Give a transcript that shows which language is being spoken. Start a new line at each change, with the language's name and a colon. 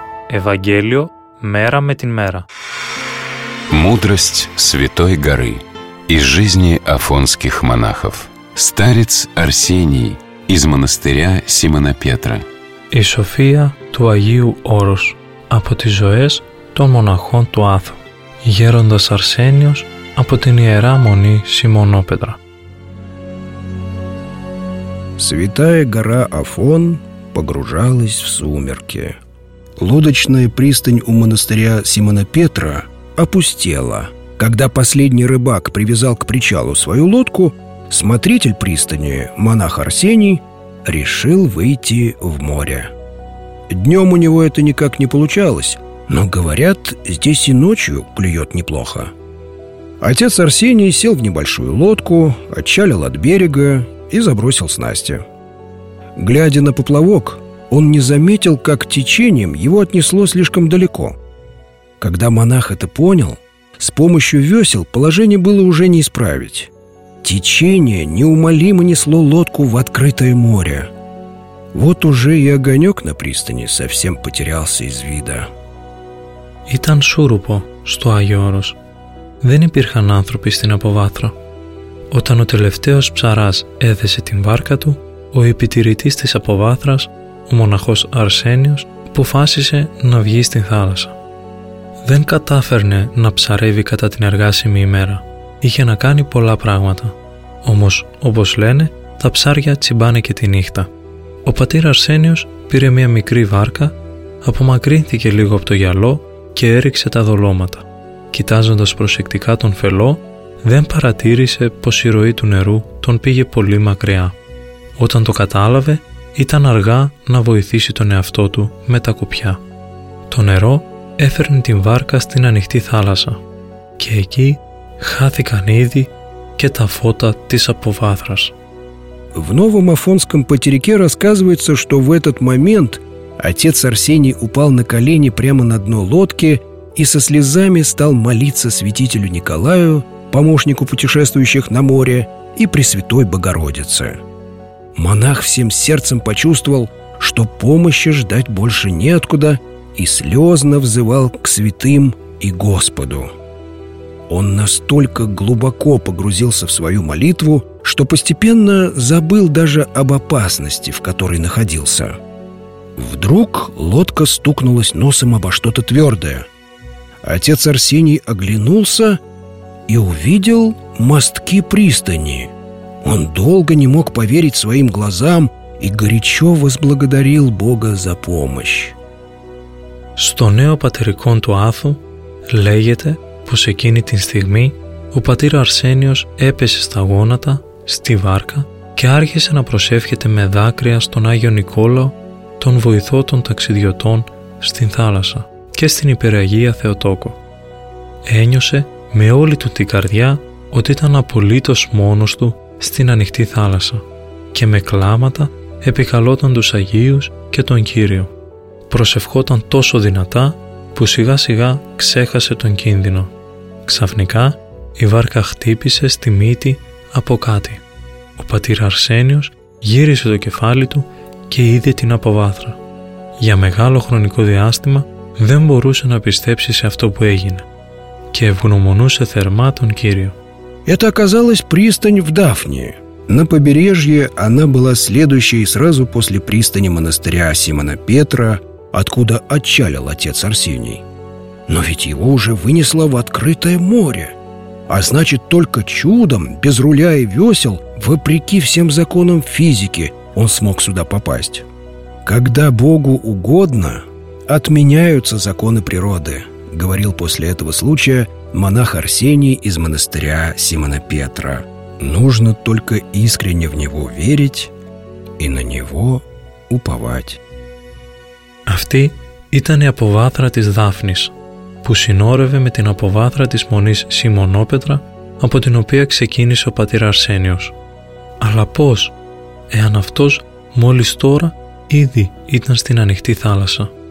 Russian: Евангелие мера
Greek: με την
Russian: мера. Мудрость Святой Горы из жизни афонских монахов. Старец Арсений из монастыря Симона Петра.
Greek: Η σοφία του Αγίου Όρους από τις ζωές των μοναχών του Άθου. Γέροντας Αρσένιος από την Ιερά Μονή Σιμωνόπετρα.
Russian: Святая гора Афон погружалась в сумерки. Лодочная пристань у монастыря Симона Петра опустела. Когда последний рыбак привязал к причалу свою лодку, смотритель пристани, монах Арсений, решил выйти в море. Днем у него это никак не получалось, но, говорят, здесь и ночью клюет неплохо. Отец Арсений сел в небольшую лодку, отчалил от берега и забросил снасти. Глядя на поплавок, он не заметил, как течением его отнесло слишком далеко. Когда монах это понял, с помощью весел положение было уже не исправить. Течение неумолимо несло лодку в открытое море. Вот уже и огонек на пристани совсем потерялся из вида.
Greek: Ήταν σούρουπο στο Άγιο Όρος. Δεν υπήρχαν άνθρωποι στην αποβάθρο. Όταν ο τελευταίος ψαράς έδεσε την βάρκα του, ο επιτηρητής της αποβάθρας, ο μοναχός Αρσένιος, αποφάσισε να βγει στην θάλασσα. Δεν κατάφερνε να ψαρεύει κατά την εργάσιμη ημέρα. Είχε να κάνει πολλά πράγματα. Όμως, όπως λένε, τα ψάρια τσιμπάνε και τη νύχτα. Ο πατήρ Αρσένιος πήρε μια μικρή βάρκα, απομακρύνθηκε λίγο από το γυαλό και έριξε τα δολώματα. Κοιτάζοντας προσεκτικά τον φελό, δεν παρατήρησε πως η ροή του νερού τον πήγε πολύ μακριά. Όταν το κατάλαβε, ήταν αργά να βοηθήσει τον εαυτό του με τα κουπιά. Το νερό έφερνε την βάρκα στην ανοιχτή θάλασσα και εκεί χάθηκαν ήδη και τα φώτα της αποβάθρας.
Russian: В новом Афонском Патерике рассказывается, что в этот момент отец Арсений упал на колени прямо на дно лодки и со слезами стал молиться святителю Николаю, помощнику путешествующих на море, и Пресвятой Богородице. Монах всем сердцем почувствовал, что помощи ждать больше неоткуда, и слезно взывал к святым и Господу. Он настолько глубоко погрузился в свою молитву, что постепенно забыл даже об опасности, в которой находился. Вдруг лодка стукнулась носом обо что-то твердое. Отец Арсений оглянулся и увидел мостки пристани. Он долго не мог поверить своим глазам и горячо возблагодарил Бога за помощь.
Greek: Στο νέο πατερικό του Άθου λέγεται πως εκείνη την στιγμή ο πατήρ Αρσένιος έπεσε στα γόνατα, στη βάρκα και άρχισε να προσεύχεται με δάκρυα στον Άγιο Νικόλαο, τον βοηθό των ταξιδιωτών στην θάλασσα και στην υπεραγία Θεοτόκο. Ένιωσε με όλη του την καρδιά ότι ήταν απολύτως μόνος του στην ανοιχτή θάλασσα και με κλάματα επικαλόταν τους Αγίους και τον Κύριο. Προσευχόταν τόσο δυνατά που σιγά σιγά ξέχασε τον κίνδυνο. Ξαφνικά η βάρκα χτύπησε στη μύτη από κάτι. Ο πατήρ Αρσένιος γύρισε το κεφάλι του και είδε την αποβάθρα. Για μεγάλο χρονικό διάστημα δεν μπορούσε να πιστέψει σε αυτό που έγινε και ευγνωμονούσε θερμά τον Κύριο.
Russian: Это оказалась пристань в Дафне. На побережье она была следующей сразу после пристани монастыря Симона Петра, откуда отчалил отец Арсений. Но ведь его уже вынесло в открытое море. А значит, только чудом, без руля и весел, вопреки всем законам физики, он смог сюда попасть. «Когда Богу угодно, отменяются законы природы», — говорил после этого случая монах Арсений из монастыря Симона Петра. Нужно только искренне в него верить и на него уповать.
Greek: Αυτή ήταν η αποβάθρα της Δάφνης, που συνόρευε με την αποβάθρα της μονής Σιμονόπετρα, από την οποία ξεκίνησε ο πατήρ Αρσένιος. Αλλά πώς, εάν αυτός μόλις τώρα ήδη ήταν στην ανοιχτή θάλασσα?